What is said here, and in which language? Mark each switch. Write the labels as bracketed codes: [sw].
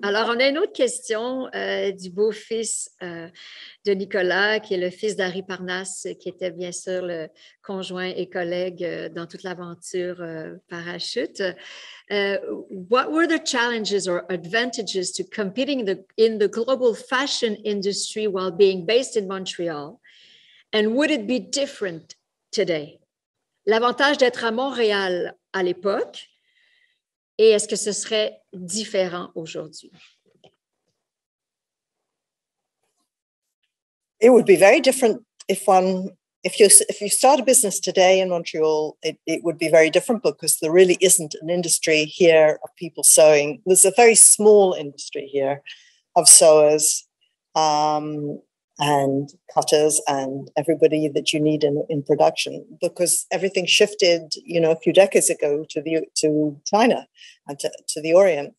[fr] Alors, on a une autre question du beau-fils de Nicolas, qui est le fils d'Harry Parnas, qui était bien sûr le conjoint et collègue dans toute l'aventure Parachute. [en] What were the challenges or advantages to competing in the global fashion industry while being based in Montreal? And would it be different today? [fr] L'avantage d'être à Montréal à l'époque, et est-ce que ce serait différent aujourd'hui? [en] It would be very different if you start a business today in Montreal. It would be very different because there really isn't an industry here of people sewing. There's a very small industry here of sewers and cutters and everybody that you need in production, because everything shifted, you know, a few decades ago to China and to the Orient.